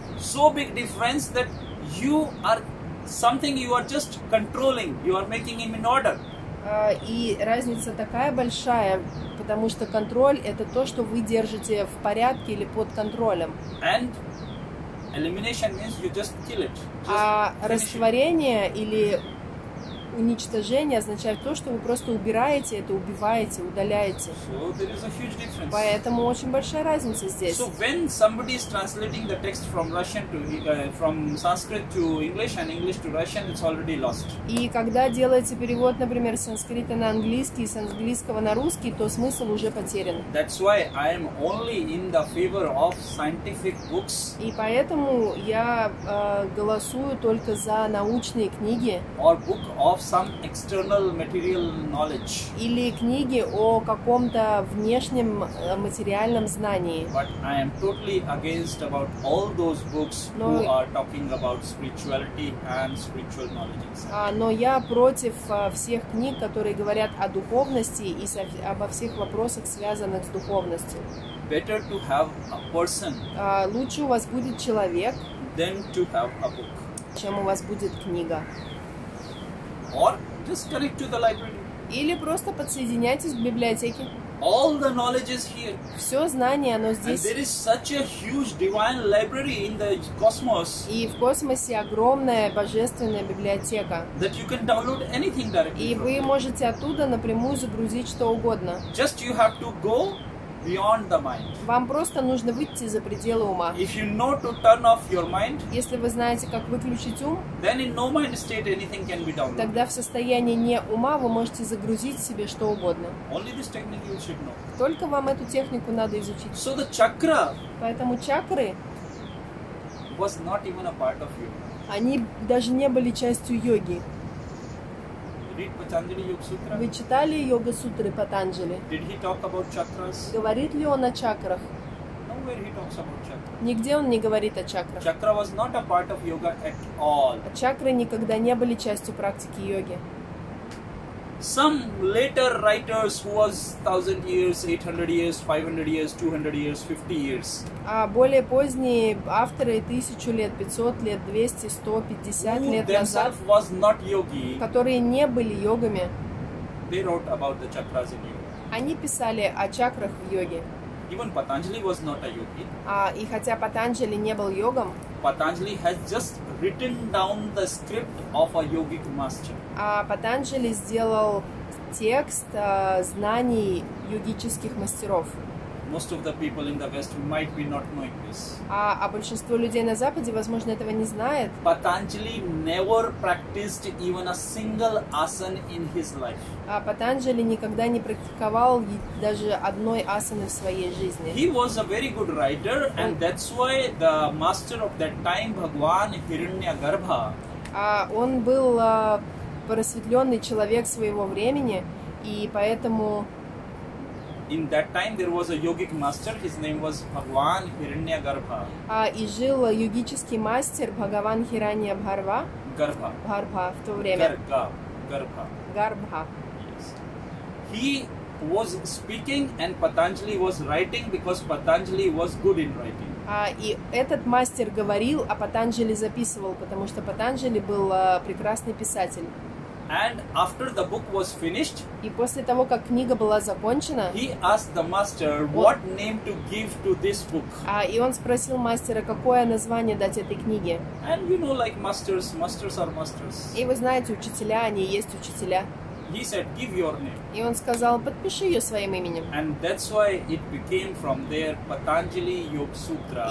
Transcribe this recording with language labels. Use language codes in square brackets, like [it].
[en] So big difference that you are something you are just controlling, you are making him in order. [ru] И разница такая большая, потому что контроль — это то, что вы держите в порядке или под контролем. [en] And elimination means you just kill it. [ru] А растворение или уничтожение означает то, что вы просто убираете это, убиваете, удаляете. [en] So there is a huge difference. [ru] Поэтому очень большая разница здесь. [en] So when somebody is translating the text from Russian to from Sanskrit to English and English to Russian, it's already lost. [ru] И когда делается перевод, например, с санскрита на английский, с английского на русский, то смысл уже потерян. [en] That's why I am only in the favor of scientific books. [ru] И поэтому я голосую только за научные книги. [en] Or book of some external material knowledge. [ru] Или книги о каком-то внешнем материальном знании. [en] But I am totally against about all those books who are talking about spirituality and spiritual knowledge. [ru] Но я против всех книг, которые говорят о духовности и обо всех вопросах, связанных с духовностью. [en] Better to have a person. [ru] Лучше у вас будет человек, [en] than to have a book. [ru] Чем у вас будет книга. [en] Or just connect to the library. [ru] Или просто подсоединяйтесь к библиотеке. [en] All the knowledge is here. [ru] Все знание, оно здесь. [en] And there is such a huge divine library in the cosmos. [ru] И в космосе огромная божественная библиотека. [en] That you can download anything directly. [ru] И вы можете оттуда напрямую загрузить что угодно. [en] Just you have to go beyond the mind. [ru] Вам просто нужно выйти за пределы ума. [en] If you know to turn off your mind, [ru] если вы знаете, как выключить ум, [en] then in no mind state anything can be downloaded. [ru] Тогда в состоянии не ума вы можете загрузить себе что угодно. [en] Only this technique you should know. [ru] Только вам эту технику надо изучить. [en] So the chakra, [ru] поэтому чакры [en] was not even a part of yoga. [ru] Они даже не были частью йоги. [en] Read Patanjali Yoga Sutra. [ru] Вы читали Йога Сутры Патанджали? [en] Did he talk about chakras? [ru] Говорит ли он о чакрах? [en] Nowhere he talks about chakras. [ru] Нигде он не говорит о чакрах. [en] Chakra was not a part of yoga at all. [ru] Чакры никогда не были частью практики йоги. [en] Some later writers who was 1000 years, 800 years, 500 years, 200 years, 50 years. [ru] А более поздние авторы 1000 лет, 500 лет, 200, 150 лет назад. [en] Who themselves was not yogi. [ru] Которые не были йогами. [en] They wrote about the chakras in yoga. [ru] Они писали о чакрах в йоге. [en] Even Patanjali was not a yogi. [ru] И хотя Патанджали не был йогом. [en] Patanjali has just written down the script of a yogic master. [ru] А Патанджали сделал текст знаний йогических мастеров. [en] Most of the people in the West might be not knowing this. [ru] А большинство людей на Западе, возможно, этого не знает. [en] Patanjali never practiced even a single asana in his life. [ru] А Патанджали никогда не практиковал даже одной асаны в своей жизни. [en] He was a very good writer, and that's why the master of that time, Bhagwan Hiranyagarbha. [ru] Он был просветленный человек своего времени, и поэтому [en] in that time there was a yogic master, his name was Bhagavan Hiranyagarbha. [ru] И жил йогический мастер Бхагаван Хираньягарбха. Гарбха. Гарбха в то время. Гарбха. Гарбха. [en] Yes. He was speaking and Patanjali was writing because Patanjali was good in writing. [ru] И этот мастер говорил, а Патанджали записывал, потому что Патанджали был прекрасный писатель. [en] And after the book was finished, [ru] и после того, как книга была закончена, [en] he asked the master what name to give to this book. [ru] И он спросил мастера, какое название дать этой книге. [en] And you know, like masters, masters are masters. [ru] И вы знаете, учителя, они и есть учителя. [en] He said, give your name. [ru] И он сказал, подпиши ее своим именем. [en] And that's why it became from there Patanjali Yoga Sutra.